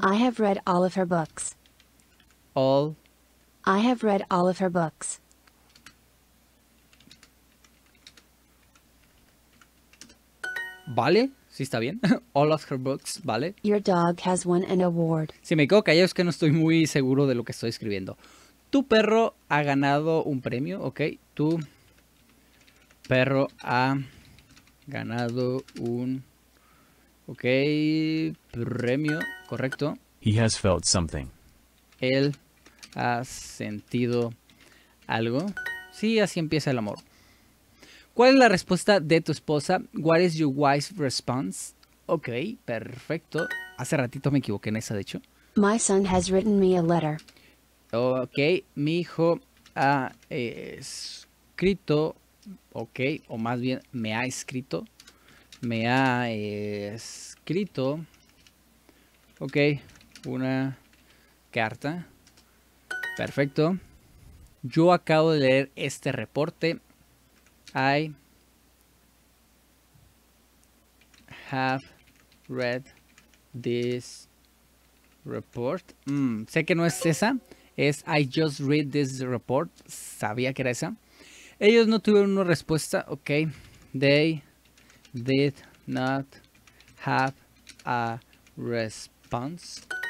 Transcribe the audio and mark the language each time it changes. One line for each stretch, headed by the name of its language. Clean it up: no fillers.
English: I have read all of her books. All. I have read all of her books.
Spanish: ¿Vale? Sí, está bien.
English: All of her books,
Spanish: ¿vale?
English: Your dog has won an award.
Spanish: Si me quedo callado es que no estoy muy seguro de lo que estoy escribiendo. Tu perro ha ganado un premio, ¿ok? Tu perro ha ganado un... ¿Ok? Premio, ¿correcto?
English: He has felt something.
Spanish: Él ha sentido algo. Sí, así empieza el amor. ¿Cuál es la respuesta de tu esposa?
English: What is your wife's response?
Spanish: Ok, perfecto. Hace ratito me equivoqué en esa, de hecho.
English: My son has written me a letter.
Spanish: Ok, mi hijo ha escrito, ok, o más bien me ha escrito. Me ha escrito, ok, una carta. Perfecto. Yo acabo de leer este reporte.
English: I have read this report.
Spanish: Sé que no es esa. Es
English: I just read this report.
Spanish: Sabía que era esa. Ellos no tuvieron una respuesta. Ok.
English: They did not have a response.